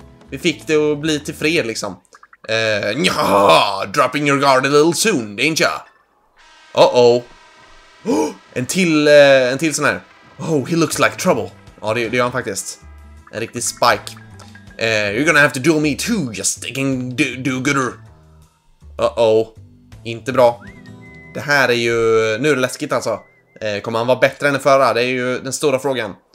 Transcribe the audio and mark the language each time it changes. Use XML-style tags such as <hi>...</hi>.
<sv>Vi fick det att bli till fred liksom.</sv> <en>Nja, dropping your guard a little soon, didn't ya? Uh-oh.</en> <sv>En till sån här.</sv> <en>Oh, he looks like trouble.</en> <sv>Ja, det gör han faktiskt. En riktig spike.</sv> <en>You're gonna have to duel me too, just thinking do-gooder.</en> <sv>Uh-oh. Inte bra. Det här är ju... Nu är det läskigt alltså. Kommer han vara bättre än förra? Det är ju den stora frågan.</sv>